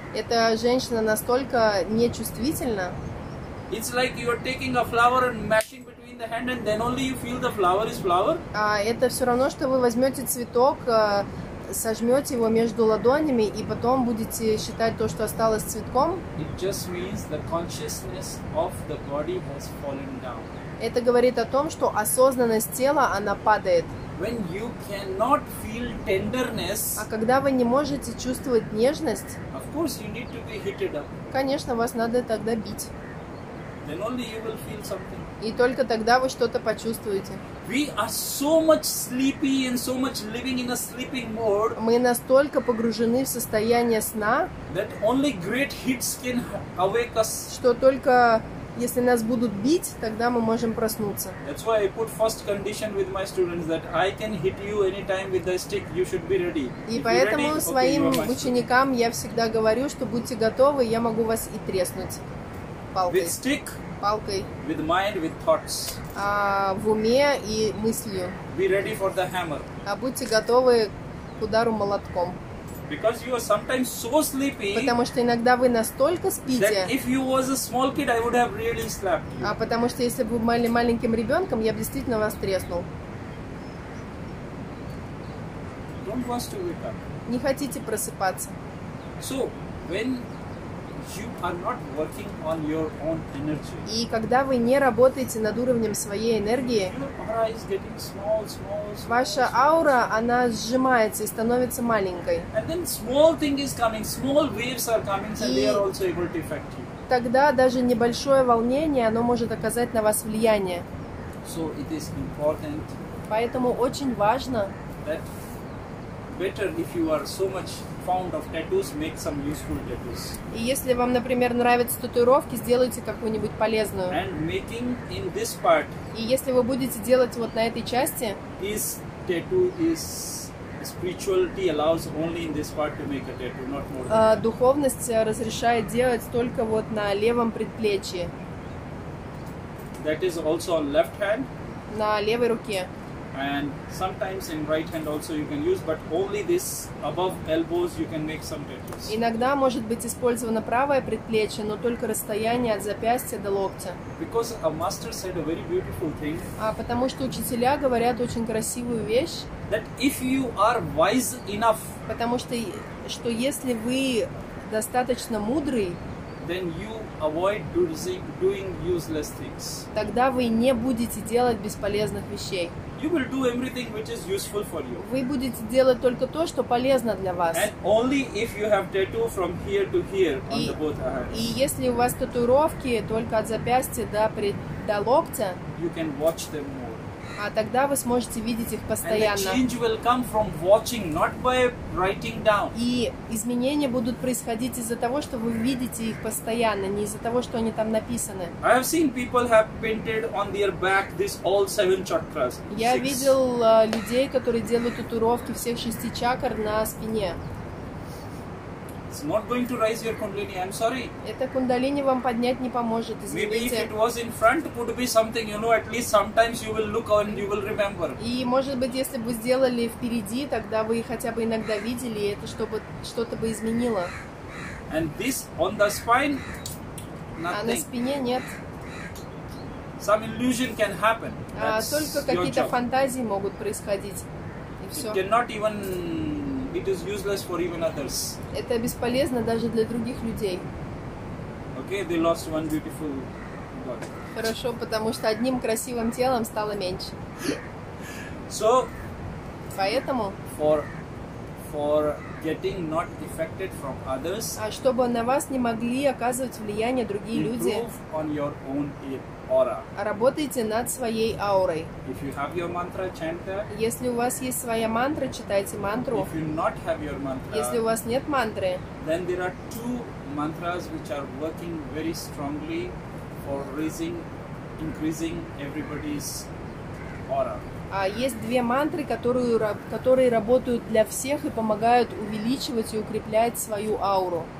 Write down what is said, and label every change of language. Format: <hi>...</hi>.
<ru>Эта женщина настолько нечувствительна.</ru> <en>It's like you are taking a flower and mashing between the hand, and then only you feel the flower is flower.</en> <ru>Это все равно, что вы возьмете цветок, сожмете его между ладонями, и потом будете считать то, что осталось цветком.</ru> <en>It just means the consciousness of the body has fallen down.</en> <ru>Это говорит о том, что осознанность тела, она падает.</ru> <en>When you cannot feel tenderness.</en> <ru>А когда вы не можете чувствовать нежность?</ru> <en>Of course, you need to be heated up.</en> <ru>Конечно, вас надо тогда бить.</ru> <en>Then only you will feel something.</en> <ru>И только тогда вы что-то почувствуете.</ru> <en>We are so much sleepy and so much living in a sleeping mode.</en> <ru>Мы настолько погружены в состояние сна.</ru> <en>That only great hits can awake us.</en> <ru>Что только если нас будут бить, тогда мы можем проснуться.</ru> <en>That's why I put first condition with my students that I can hit you anytime with a stick. You should be ready.</en> <ru>И поэтому своим ученикам я всегда говорю, что будьте готовы, я могу вас и треснуть. Палкой.</ru> <en>With stick,</en> <ru>палкой.</ru> <en>With mind, with thoughts.</en> <ru>В уме и мыслью.</ru> <en>Be ready for the hammer.</en> <ru>Будьте готовы к удару молотком.</ru> <en>Because you are sometimes so sleepy.</en> <ru>Потому что иногда вы настолько спите.</ru> <en>That if you was a small kid, I would have really slapped you.</en> <ru>Потому что если бы вы были маленьким ребенком, я бы действительно вас треснул.</ru> <en>Don't want to wake up.</en> <ru>Не хотите просыпаться.</ru> <en>So when you are not working on your own energy.</en> <ru>И когда вы не работаете над уровнем своей энергии,</ru> <en>your aura is getting small.</en> <ru>Ваша аура, она сжимается и становится маленькой.</ru> <en>And then small thing is coming, small waves are coming, and they are also able to affect you.</en> <ru>Тогда даже небольшое волнение, оно может оказать на вас влияние.</ru> <en>So it is important.</en> <ru>Поэтому очень важно.</ru> <en>That better if you are so much. Found of tattoos, make some useful tattoos.</en> <ru>И если вам, например, нравятся татуировки, сделайте какую-нибудь полезную.</ru> <en>And making in this part.</en> <ru>И если вы будете делать вот на этой части.</ru> <en>This tattoo is spirituality allows only in this part to make a tattoo, not more.</en> <ru>Духовность разрешает делать только вот на левом предплечье.</ru> <en>That is also on left hand.</en> <ru>На левой руке.</ru> <en>And sometimes in right hand also you can use, but only this above elbows you can make some tattoos.</en> <ru>Иногда может быть использовано правое предплечье, но только расстояние от запястья до локтя.</ru> <en>Because a master said a very beautiful thing.</en> <ru>Потому что учителя говорят очень красивую вещь.</ru> <en>That if you are wise enough.</en> <ru>Потому что если вы достаточно мудрый.</ru> <en>Then you avoid doing useless things.</en> <ru>Тогда вы не будете делать бесполезных вещей.</ru> <en>You will do everything which is useful for you.</en> <ru>Вы будете делать только то, что полезно для вас.</ru> <en>And only if you have tattoo from here to here on the both hands.</en> <ru>И если у вас татуировки только от запястья до локтя.</ru> <en>You can watch them more.</en> <ru>Тогда вы сможете видеть их постоянно.</ru> <en>And the change will come from watching, not by writing down.</en> <ru>И изменения будут происходить из-за того, что вы видите их постоянно, не из-за того, что они там написаны.</ru> <en>I have seen people have painted on their back this all seven chakras. Six.</en> <ru>Я видел людей, которые делают татуировки всех шести чакр на спине.</ru> <en>It's not going to raise your kundalini. I'm sorry.</en> <ru>Это кундалини вам поднять не поможет. Извините.</ru> <en>Maybe if it was in front, could be something. You know, at least sometimes you will look and you will remember.</en> <ru>И может быть, если бы сделали впереди, тогда вы хотя бы иногда видели, и это чтобы что-то бы изменило.</ru> <en>And this on the spine, nothing.</en> <ru>А на спине нет.</ru> <en>Some illusion can happen.</en> <ru>Только какие-то фантазии могут происходить.</ru> <en>It cannot even, it is useless for even others.</en> <ru>Это бесполезно даже для других людей.</ru> <en>Okay, they lost one beautiful body.</en> <ru>Хорошо, потому что одним красивым телом стало меньше.</ru> <en>So,</en> <ru>поэтому</ru> <en>for getting not affected from others.</en> <ru>А чтобы на вас не могли оказывать влияние другие люди.</ru> <en>On your own aura.</en> <ru>Работайте над своей аурой.</ru> <en>If you have your mantra, chant that.</en> <ru>Если у вас есть своя мантра, читайте мантру.</ru> <en>If you not have your mantra.</en> <ru>Если у вас нет мантры.</ru> <en>Then there are two mantras which are working very strongly for raising, increasing everybody's aura.</en> <ru>А есть две мантры, которые работают для всех и помогают увеличивать и укреплять свою ауру.</ru>